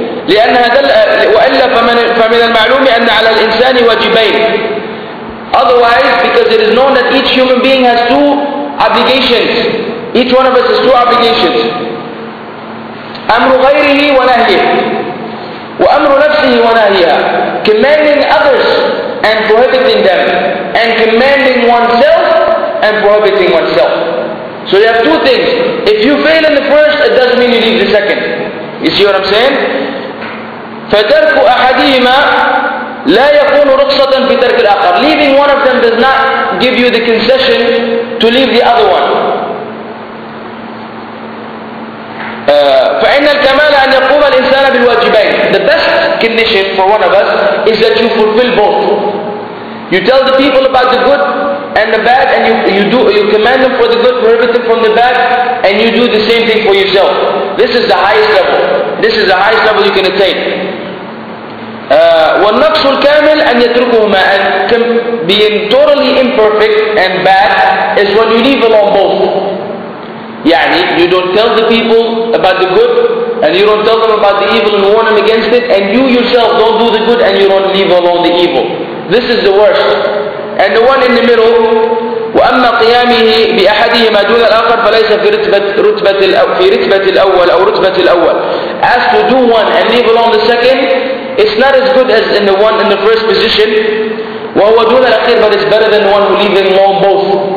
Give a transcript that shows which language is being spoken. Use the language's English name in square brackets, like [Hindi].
[Arabic] لأنها وإلا فمن المعلوم أن على الإنسان واجبين. [English] Otherwise, because it is known that each human being has two obligations. Each one of us has two obligations. [Arabic] أمر غيره ونهيه. وأمر نفسه ونهيها. [English] Commanding others and prohibiting them. And commanding oneself and prohibiting oneself. So you have two things. If you fail in the first, it doesn't mean you leave the second. You see what I'm saying? [Arabic] فترك أحدهما لا يكون رخصة في ترك الآخر. [English] Leaving one of them does not give you the concession to leave the other one. [Arabic] فإن الكمال أن يقوم الإنسان بالواجبين. [English] The best condition for one of us is that you fulfill both. You tell the people about the good and the bad, and you command them for the good, prohibit them from the bad, and you do the same thing for yourself. This is the highest level. This is the highest level you can attain. [Arabic] والنقص الكامل أن يتركهما. [English] And being totally imperfect and bad is when you leave alone both. يعني you don't tell the people about the good and you don't tell them about the evil and warn them against it, and you yourself don't do the good and you don't leave alone the evil. This is the worst. And the one in the middle, [Arabic] وأما قيامه بأحدهما دون الآخر فليس في رتبة الأول أو رتبة الأول. [English] As to do one and leave alone the second, it's not as good as in the one in the first position. [Arabic] وهو دون الأخير, [English] but it's better than one who leaves alone both.